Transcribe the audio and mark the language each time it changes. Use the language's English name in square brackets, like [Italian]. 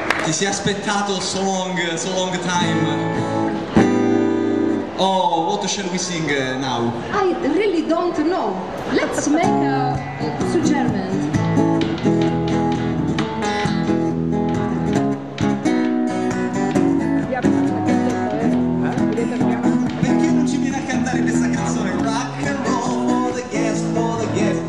[Italian] si è aspettato [English] so long time. Oh, what shall we sing now? I really don't know. Let's make a suggestion. [Italian] Perché non ci viene a cantare questa canzone? [English] Rock and roll for the guest, for the guest.